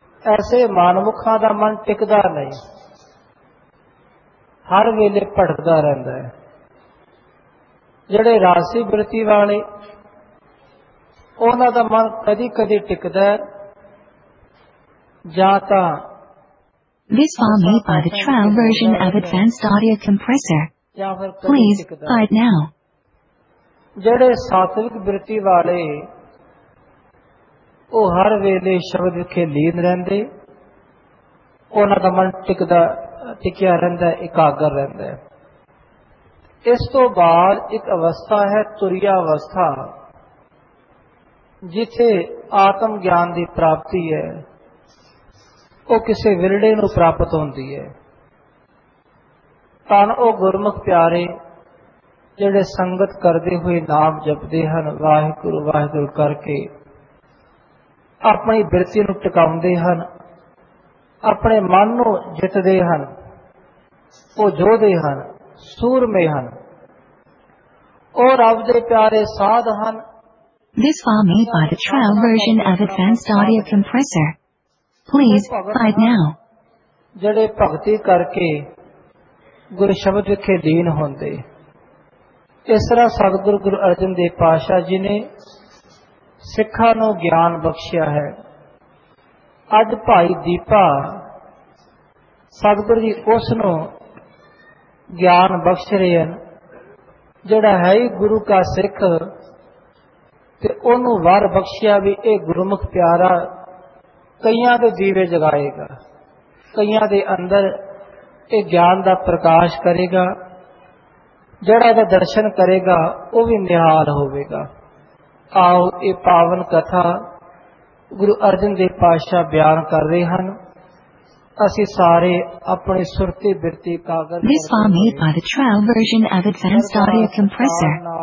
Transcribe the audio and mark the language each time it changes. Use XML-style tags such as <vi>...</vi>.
<pa>ਐਸੇ ਮਨਮੁਖਾਂ ਦਾ ਮਨ ਟਿਕਦਾ ਨਹੀਂ, ਹਰ ਵੇਲੇ ਭਟਕਦਾ ਰਹਿੰਦਾ। ਜਿਹੜੇ ਰਾਜਸੀ ਬਿਰਤੀ ਵਾਲੇ, ਉਹਨਾਂ ਦਾ ਮਨ ਕਦੀ ਕਦੀ ਟਿਕਦਾ, ਜਾਂ ਤਾਂ</pa> <en>This file made by the trial version of Advanced Audio Compressor. Please, fight now.</en> <pa>ਜਿਹੜੇ ਸਾਤਵਿਕ ਬਿਰਤੀ ਵਾਲੇ, ਉਹ ਹਰ ਵੇਲੇ ਸ਼ਬਦ ਵਿਖੇ ਲੀਨ ਰਹਿੰਦੇ, ਉਹਨਾਂ ਦਾ ਮਨ ਟਿਕਦਾ ਟਿਕਿਆ ਰਹਿੰਦਾ, ਇਕਾਗਰ ਰਹਿੰਦਾ। ਇਸ ਤੋਂ ਬਾਅਦ ਇੱਕ ਅਵਸਥਾ ਹੈ ਤੁਰਿਆ ਅਵਸਥਾ, ਜਿੱਥੇ ਆਤਮ ਗਿਆਨ ਦੀ ਪ੍ਰਾਪਤੀ ਹੈ, ਉਹ ਕਿਸੇ ਵਿਰਲੇ ਨੂੰ ਪ੍ਰਾਪਤ ਹੁੰਦੀ ਹੈ। ਤਾਂ ਉਹ ਗੁਰਮੁਖ ਪਿਆਰੇ ਜਿਹੜੇ ਸੰਗਤ ਕਰਦੇ ਹੋਏ ਨਾਮ ਜਪਦੇ ਹਨ, ਵਾਹਿਗੁਰੂ ਵਾਹਿਗੁਰੂ ਕਰਕੇ ਆਪਣੀ ਬਿਰਤੀ ਨੂੰ ਟਿਕਾਉਂਦੇ ਹਨ, ਆਪਣੇ ਮਨ ਨੂੰ ਜਿੱਤਦੇ ਹਨ, ਉਹ ਜੋਧੇ ਹਨ, ਸੂਰਮੇ ਹਨ, ਉਹ ਰੱਬ ਦੇ ਪਿਆਰੇ ਸਾਧ ਹਨ।</pa> <en>This file made by the trial version of Advanced Audio Compressor. Please, fight now.</en> <pa>ਜਿਹੜੇ ਭਗਤੀ ਕਰਕੇ ਗੁਰ ਸ਼ਬਦ ਵਿਖੇ ਦੀਨ ਹੁੰਦੇ, ਇਸ ਤਰ੍ਹਾਂ ਸਤਿਗੁਰੂ ਗੁਰੂ ਅਰਜਨ ਦੇਵ ਪਾਤਸ਼ਾਹ ਜੀ ਨੇ ਸਿੱਖਾਂ ਨੂੰ ਗਿਆਨ ਬਖਸ਼ਿਆ ਹੈ। ਅੱਜ ਭਾਈ ਦੀਪਾ ਸਤਿਗੁਰ ਜੀ ਉਸ ਨੂੰ ਗਿਆਨ ਬਖਸ਼ ਰਹੇ ਹਨ, ਜਿਹੜਾ ਹੈ ਹੀ ਗੁਰੂ ਕਾ ਸਿੱਖ, ਤੇ ਉਹਨੂੰ ਵਰ ਬਖਸ਼ਿਆ ਵੀ ਇਹ ਗੁਰਮੁਖ ਪਿਆਰਾ ਕਈਆਂ ਦੇ ਦੀਵੇ ਜਗਾਏਗਾ, ਕਈਆਂ ਦੇ ਅੰਦਰ ਇਹ ਗਿਆਨ ਦਾ ਪ੍ਰਕਾਸ਼ ਕਰੇਗਾ, ਜਿਹੜਾ ਇਹਦਾ ਦਰਸ਼ਨ ਕਰੇਗਾ ਉਹ ਵੀ ਨਿਹਾਲ ਹੋਵੇਗਾ। ਆਓ, ਇਹ ਪਾਵਨ ਕਥਾ ਗੁਰੂ ਅਰਜਨ ਦੇਵ ਪਾਤਸ਼ਾਹ ਬਿਆਨ ਕਰ ਰਹੇ ਹਨ, ਅਸੀਂ ਸਾਰੇ ਆਪਣੀ ਸੁਰਤੀ ਬਿਰਤੀ ਕਾਗਜ਼</pa> <en>This file made by the trial version of Advanced Audio Compressor.</en>